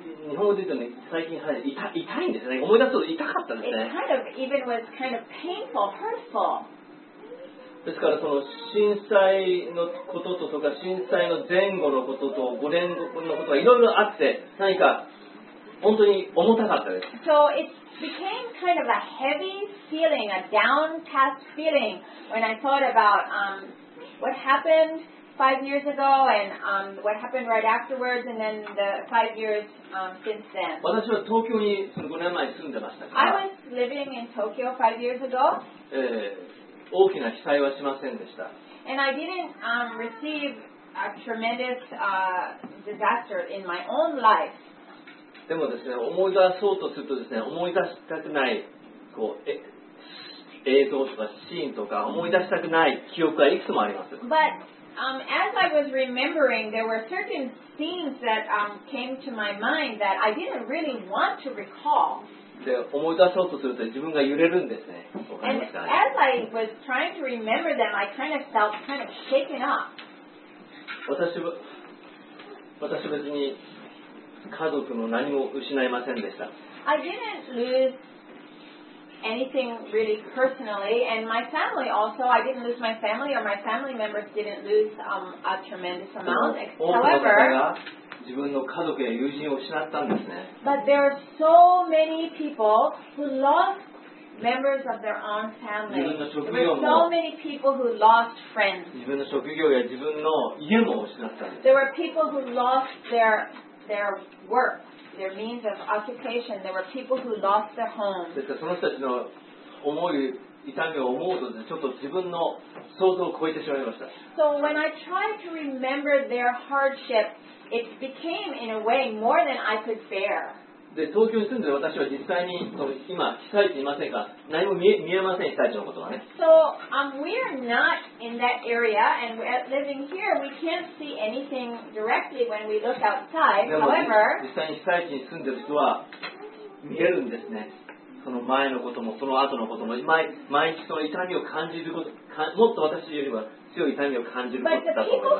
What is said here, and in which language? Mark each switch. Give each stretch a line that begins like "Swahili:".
Japanese: 日本語で言うとね、最近痛いんですね。思い出すと痛かったんですね。
English: It kind of even was kind of painful, hurtful.
Japanese: ですからその震災のこととか、震災の前後のことと、5年後のことがいろいろあって、何か本当に重たかったです。
English: So it became kind of a heavy feeling, a downcast feeling when I thought about what happened 5 years ago and what happened right afterwards and then the 5 years since then.
Japanese: 私は東京に5年前住んでましたから。
English: I was living in Tokyo 5 years ago.
Japanese: 大きな被災はしませんでした。
English: And I didn't receive a tremendous disaster in my own life.
Japanese: でもですね、思い出そうとするとですね、思い出したくないこう映像とかシーンとか思い出したくない記憶がいくつもあります。
English: But as I was remembering, there were certain scenes that came to my mind that I didn't really want to recall.
Japanese: で、思い出そうとすると自分が揺れるんですね。
English: And as I was trying to remember them, I kind of felt kind of shaken up.
Japanese: 私別に家族の何も失いませんでした。
English: I didn't lose anything really personally, and my family also. I didn't lose my family, or my family members didn't lose a tremendous amount. However,
Japanese: 自分の家族や友人を失ったんですね。
English: But there are so many people who lost members of their own family.
Japanese: 自分の職業も。
English: There were so many people who lost friends.
Japanese: 自分の職業や自分の家も失ったんです。
English: There were people who lost their work, their means of occupation. There were people who lost their homes.
Japanese: ですからその人たちの痛みを思うとちょっと自分の想像を超えてしまいました。
English: So when I tried to remember their hardship, it became in a way more than I could bear.
Japanese: で、東京に住んでる私は実際に今被災地にいませんか。何も見えません、被災地のことはね。
English: So we are not in that area, and living here, we can't see anything directly when we look outside. However,
Japanese: 実際に被災地に住んでる人は見えるんですね。その前のこともその後のことも毎日その痛みを感じること、もっと私よりは強い痛みを感じることだと思います。